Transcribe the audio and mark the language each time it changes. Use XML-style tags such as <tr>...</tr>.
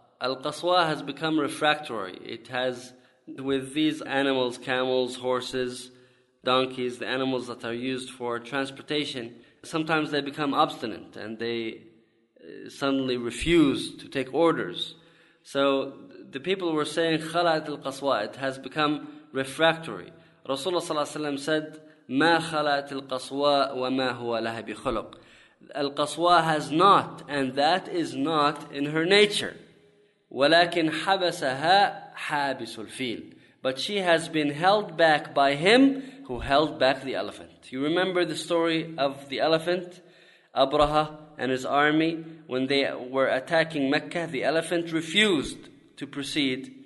<en>القصواء has become refractory. It has, with these animals, camels, horses, donkeys, the animals that are used for transportation, sometimes they become obstinate and they suddenly refuse to take orders. So the people were saying,</en> <ar>خلأت القصواء.</ar> <en>It has become refractory.</en> <ar>Rasulullah صلى الله عليه وسلم said, ما خلأت القصواء وما هو لها بخلق.</ar> <en>القصواء has not, and that is not in her nature.</en> <ar>ولكن حبسها حابس الفيل.</ar> <en>But she has been held back by him who held back the elephant. You remember the story of the elephant, Abraha and his army, when they were attacking Mecca, the elephant refused to proceed.</en>